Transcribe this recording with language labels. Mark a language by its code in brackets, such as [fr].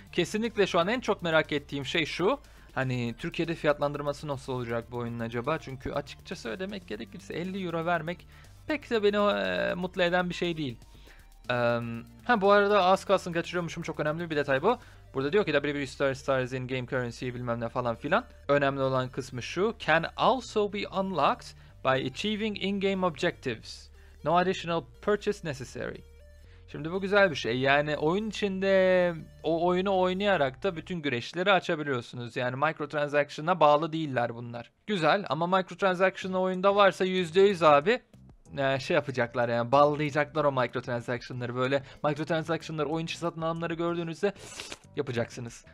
[tr] Kesinlikle şu an en çok merak ettiğim şey şu. Hani Türkiye'de fiyatlandırması nasıl olacak bu oyunun acaba? Çünkü açıkçası ödemek gerekirse 50 euro vermek pek de beni mutlu eden bir şey değil. Ha, bu arada az kalsın kaçırıyormuşum, çok önemli bir detay bu. Burada diyor ki [en] WWE Superstars in game currency [tr] bilmem ne falan filan. Önemli olan kısmı şu. [en] Can also be unlocked by achieving in-game objectives. No additional purchase necessary. [tr] Şimdi bu güzel bir şey. Yani oyun içinde o oyunu oynayarak da bütün güreşleri açabiliyorsunuz. Yani microtransaction'a bağlı değiller bunlar. Güzel, ama microtransaction oyunda varsa %100 abi. şey yapacaklar yani, ballayacaklar o microtransaction'ları. Böyle microtransaction'ları oyun içi satın alanları gördüğünüzde yapacaksınız.